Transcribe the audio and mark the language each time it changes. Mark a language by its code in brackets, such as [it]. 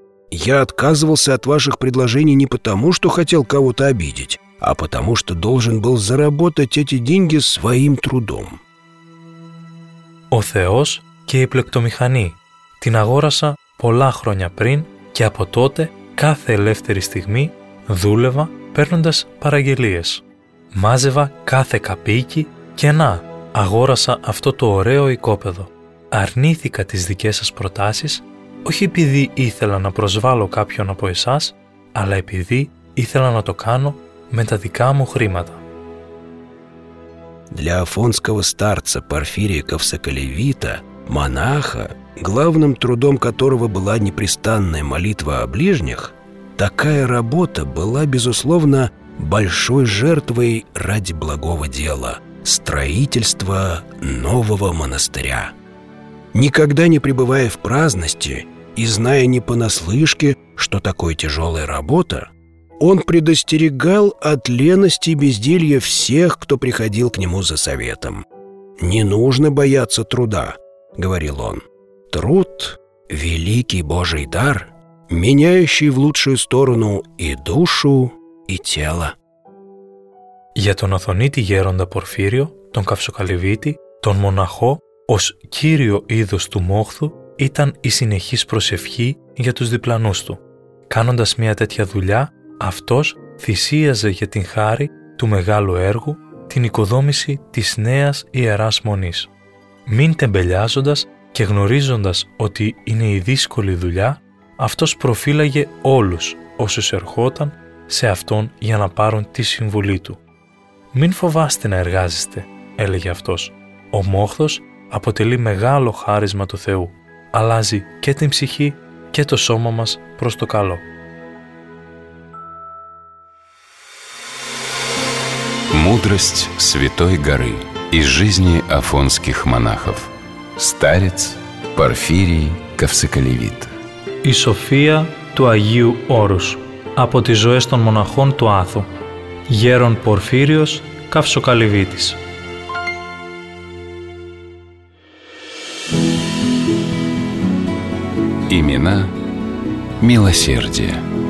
[ru] Я отказывался от ваших предложений не потому, что хотел кого-то обидеть, а потому что должен был заработать эти деньги своим трудом». [el] «О Θεός και η πλεκτομηχανή. Την αγόρασα πολλά χρόνια πριν και από τότε κάθε ελεύθερη στιγμή δούλευα παίρνοντας παραγγελίες. Μάζευα κάθε καπίκι και να, αγόρασα αυτό το ωραίο οικόπεδο. Αρνήθηκα τις δικές σας προτάσεις, όχι επειδή ήθελα να προσβάλλω κάποιον από εσάς, αλλά επειδή ήθελα να το κάνω με τα δικά μου χρήματα». [ru] Для афонского старца Порфирия Ковсоколевита, монаха, главным трудом которого была непрестанная молитва о ближних, такая работа была, безусловно, большой жертвой ради благого дела – строительства нового монастыря. Никогда не пребывая в праздности и зная не понаслышке, что такое тяжелая работа, он предостерегал от лености и безделья всех, кто приходил к нему за советом. «Не нужно бояться труда», – говорил он. «Труд – великий Божий дар, меняющий в лучшую сторону и душу, и тело». [el] Για τον Αθωνίτη Γέροντα Πορφύριο, τον Καυσοκαλυβίτη, τον μοναχό, ως κύριο είδος του μόχθου, ήταν η συνεχής προσευχή για τους διπλανούς του. Κάνοντας μια τέτοια δουλειά, αυτός θυσίαζε για την χάρη του μεγάλου έργου, την οικοδόμηση της νέας ιεράς μονής. Μην τεμπελιάζοντας, και γνωρίζοντας ότι είναι η δύσκολη δουλειά, αυτός προφύλαγε όλους όσους ερχόταν σε αυτόν για να πάρουν τη συμβουλή του. «Μην φοβάστε να εργάζεστε», έλεγε αυτός. «Ο μόχθος αποτελεί μεγάλο χάρισμα του Θεού. Αλλάζει και την ψυχή και το σώμα μας προς το καλό». [ru] Μούδρεστ Святой Горы и жизни афонских монахов. Старец Порфирий Ковсоколевит. [el] Η σοφία του Αγίου Όρους από τις ζωές των μοναχών του Άθου. Γέρον Πορφύριος Ковσοκαλυβίτης. [ru] Имена милосердия.